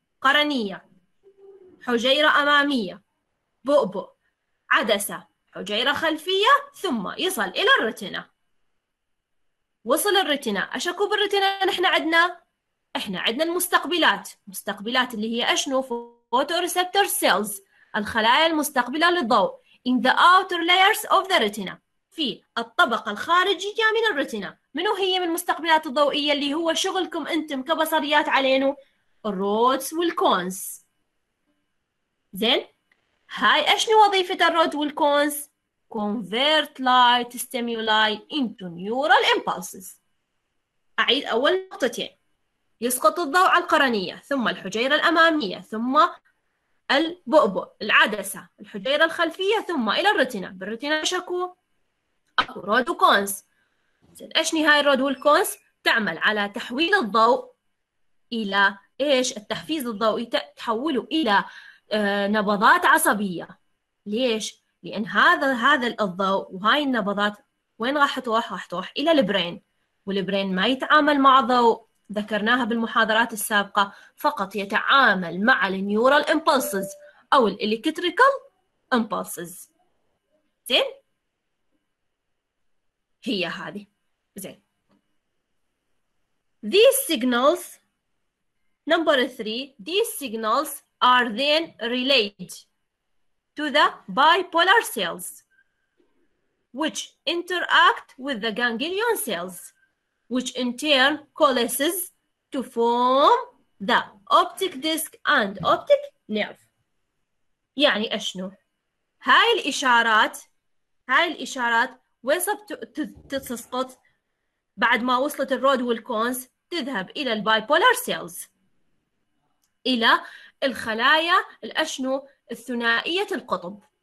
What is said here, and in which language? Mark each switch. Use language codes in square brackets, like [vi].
[ar] قرنية، حجيرة أمامية، بؤبؤ، عدسة، حجيرة خلفية، ثم يصل إلى الرتينا. وصل الرتينا، أشكو بالرتينا نحن عندنا؟ إحنا عندنا المستقبلات اللي هي أشنو؟ فوتو ريسبتر سيلز، الخلايا المستقبلة للضوء. [en] in the outer layers of the retina, [ar] في الطبقة الخارجية من الرتينا. منو هي من المستقبلات الضوئية اللي هو شغلكم انتم كبصريات علينو؟ الرودز والكونز. زين، هاي اشنو وظيفة الرود والكونز؟ [en] convert light stimuli into neural impulses. [ar] أعيد أول نقطتين، يسقط الضوء على القرنية ثم الحجيرة الأمامية ثم البؤبؤ العدسة الحجيرة الخلفية ثم إلى الرتينا. بالرتينا شكو رود وكونز. زين، إيش نهاية الرود والكونز؟ تعمل على تحويل الضوء إلى إيش؟ التحفيز الضوئي، تحوله إلى نبضات عصبية. ليش؟ لأن هذا الضوء وهاي النبضات وين راح تروح؟ راح تروح إلى البرين، والبرين ما يتعامل مع ضوء، ذكرناها بالمحاضرات السابقة، فقط يتعامل مع النيورال امبلسز أو الإلكتريكال امبلسز. زين؟ هي هذه. [en] زين، these signals number three, these signals are then relayed to the bipolar cells which interact with the ganglion cells which in turn coalesces to form the optic disc and optic nerve. [ar] يعني اشنو هاي الاشارات؟ هاي الاشارات وصب تسقط بعد ما وصلت الرود والكونز، تذهب إلى البايبولار سيلز، إلى الخلايا الأشنو الثنائية القطب.